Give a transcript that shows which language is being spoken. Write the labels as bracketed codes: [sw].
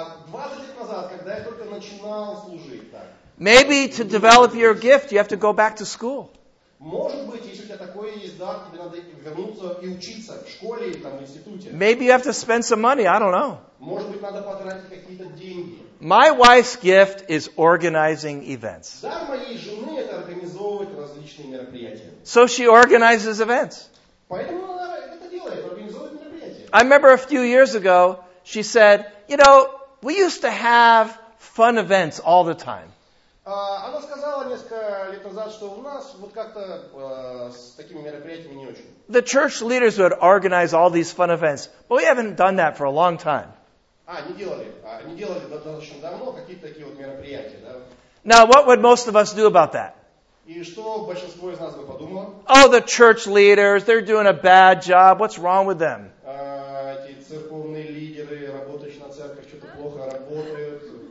[ru] 20 лет назад, когда я только начинал служить так. [en] Maybe to develop your gift, you have to go back to school. [ru] Может быть, если у тебя такое есть дар, тебе надо вернуться и учиться в школе или там в институте. [en] Maybe you have to spend some money, I don't know. [ru] Может быть, надо потратить какие-то деньги. [en] My wife's gift is organizing events. [ru] Дар моей жены это организовывать различные мероприятия. [en] So she organizes events. [ru] Поэтому она это делает, организовывает мероприятия. [en] I remember a few years ago, she said, you know, we used to have fun events all the time. [ru] Она сказала несколько лет назад, что у нас вот как-то с такими мероприятиями не очень. [en] The church leaders would organize all these fun events, but we haven't done that for a long time. [ru] Не делали достаточно давно какие-то такие вот мероприятия, да? [en] Now, what would most of us do about that? [ru] И что большинство из нас бы подумало? [en] Oh, the church leaders, they're doing a bad job. What's wrong with them? [ru] Эти церковные лидеры, работающие на церковь, что-то плохо работают.